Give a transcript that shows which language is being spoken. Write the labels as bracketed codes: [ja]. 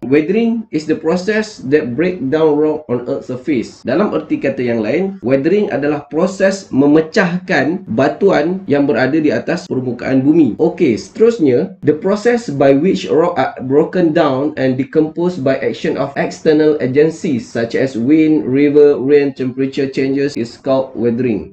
[en] Weathering is the process that break down rock on earth surface. [ms] Dalam erti kata yang lain, [en] weathering [ms] adalah proses memecahkan batuan yang berada di atas permukaan bumi. [en] Okey, seterusnya, the process by which rock are broken down and decomposed by action of external agencies such as wind, river, rain, temperature changes is called weathering.